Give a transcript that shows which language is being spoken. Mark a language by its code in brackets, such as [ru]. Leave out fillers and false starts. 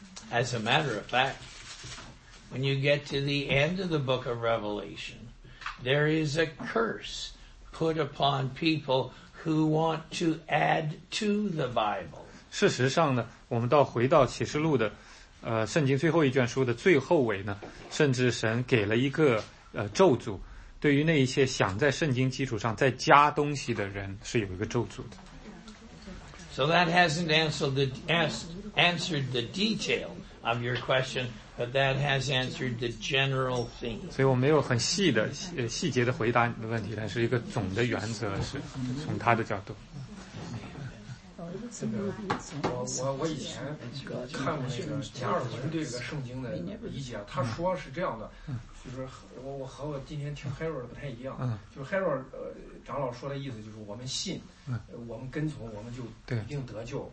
[en] As a matter of fact, when you get to the end of the book of Revelation, there is a curse put upon people who want to add to the Bible. [zh] 事实上呢，我们到回到启示录的，圣经最后一卷书的最后尾呢，甚至神给了一个咒诅，对于那一些想在圣经基础上再加东西的人是有一个咒诅的。 [en] So that hasn't answered the detail of your question, but that has answered the general theme. [zh] 所以我没有很细的细节的回答你的问题，但是一个总的原则是从他的角度。这个我以前看过那个加尔文对这个圣经的理解，他说是这样的，就是我和我今天听 Harold 不太一样，就是 Harold 长老说的意思就是我们信，我们跟从，我们就一定得救，